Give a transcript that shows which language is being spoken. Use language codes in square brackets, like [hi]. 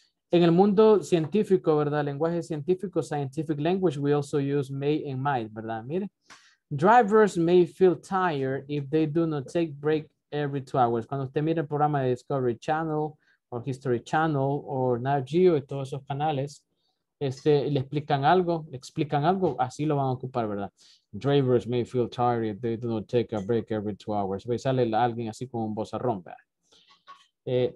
[es] En el mundo científico, ¿verdad? Lenguaje científico, [en] scientific language, we also use may and might, [es] ¿verdad? Mire. [en] Drivers may feel tired if they do not take break every 2 hours. [es] Cuando usted mira el programa de Discovery Channel o History Channel o Nat Geo y todos esos canales, le explican algo, así lo van a ocupar, ¿verdad? [en] Drivers may feel tired if they do not take a break every 2 hours. [es] Y sale alguien así con un bozarrón, ¿verdad?